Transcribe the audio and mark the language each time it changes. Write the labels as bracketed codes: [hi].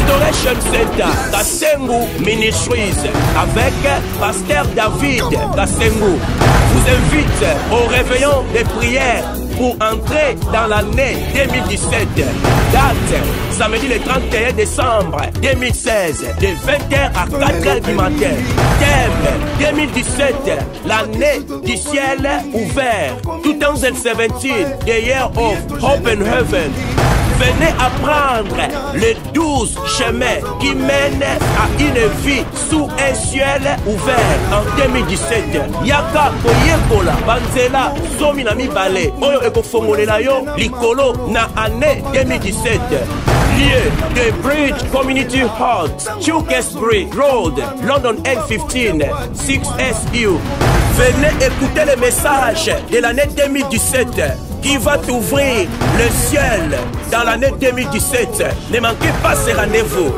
[fr] Fashion Center Kasengu Ministries avec Pasteur David Kasengu vous invite au réveillon des prières pour entrer dans l'année 2017. Date, samedi le 31 décembre 2016, de 20h à 4h du matin. Thème 2017, l'année du ciel ouvert. [en] 2017, the year of hope and heaven. [fr] Venez apprendre les 12 chemins qui mènent à une vie sous un ciel ouvert en 2017. [ln] Yaka Koyekola, Banzela, Zominami Bale, Oyo Eko Fongolelayo, Likolo, na année 2017. [fr] Lieu de Bridge Community Hall, Chukesbury Road, London N15, 6SU. Venez écouter le message de l'année 2017. Qui va t'ouvrir le ciel dans l'année 2017. Ne manquez pas ce rendez-vous.